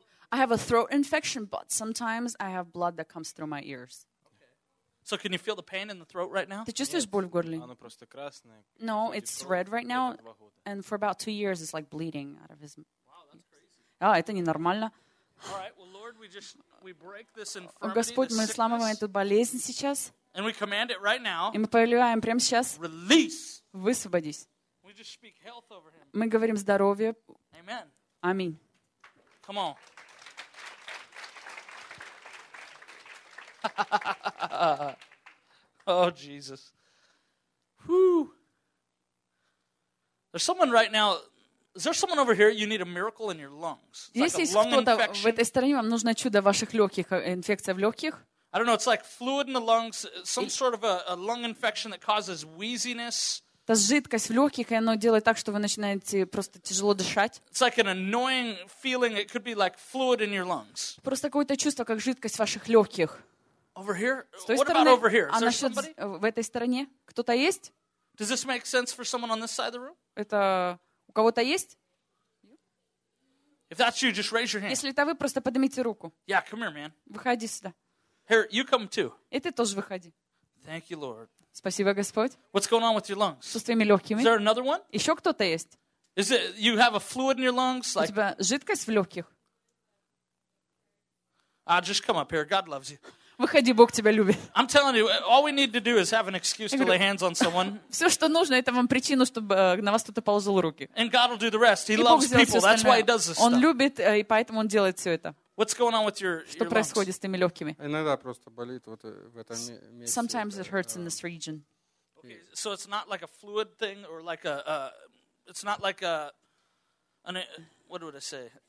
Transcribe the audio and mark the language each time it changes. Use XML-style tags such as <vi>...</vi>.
<en>I have a throat infection, but sometimes I have blood that comes through my ears. Okay. So can you feel the pain in the throat right now? Did you just boil gurli?</en> <ru>Оно просто красное.</ru> <en>No, it's red right now, and for about 2 years it's like bleeding out of his. Wow, that's crazy.</en> <ru>А это не нормально.</ru> <en>All right, well, Lord, we break this infirmity.</en> <ru>О Господь, мы сломаем эту болезнь сейчас.</ru> <en>And we command it right now.</en> <ru>И мы повелеваем прямо сейчас.</ru> <en>Release.</en> <ru>Высвободись.</ru> <en>We just speak health over him.</en> <ru>Мы говорим здоровье.</ru> <en>Amen.</en> <ru>Аминь.</ru> <en>Come on. Oh, Jesus. Whew. There's someone right now. Is there someone over here? You need a miracle in your lungs.</en> <ru>Есть like лунг кто-то в этой стороне, вам нужно чудо ваших легких, инфекция в легких?</ru> <en>I don't know. It's like fluid in the lungs. Some sort of a lung infection that causes wheeziness.</en> <ru>Та жидкость в легких, и оно делает так, что вы начинаете просто тяжело дышать. Просто какое-то чувство, как жидкость ваших легких.</ru> <en>Over here?</en> <ru>С той стороны?</ru> <en>What about over here? Is</en> <ru>а насчет в этой стороне? Кто-то есть?</ru> <en>Does this make sense for someone on this side of the room?</en> <ru>Это у кого-то есть?</ru> <en>If that's you, just raise your hand.</en> <ru>Если это вы, просто поднимите руку.</ru> <en>Yeah, come here, man.</en> <ru>Выходи сюда.</ru> <en>Here, you come too.</en> <ru>И ты тоже выходи.</ru> <en>Thank you, Lord.</en> <ru>Спасибо, Господь.</ru> <en>What's going on with your lungs?</en> <ru>Что с твоими легкими?</ru> <en>Is there another one?</en> <ru>Еще кто-то есть?</ru> <en>Is it you have a fluid in your lungs?</en> <ru>У тебя жидкость в легких?</ru> <en>Just come up here. God loves you.</en> <ru>Выходи, Бог тебя любит.</ru> <en>I'm telling you, all we need to do is have an excuse to lay hands on someone.</en> <ru>Все, что нужно, это вам причину, чтобы на вас кто-то положил руки.</ru> <en>And God will do the rest. He loves people. That's why he does this.</en> <ru>Он любит и поэтому он делает все это.</ru> <en>What's going on with your lungs?</en> <ru>Что происходит с твоими легкими? Иногда просто болит вот в этом месте.</ru> <en>Sometimes it hurts in this region. Okay, so it's not like a fluid thing or like a it's not like a an what would I say?</en>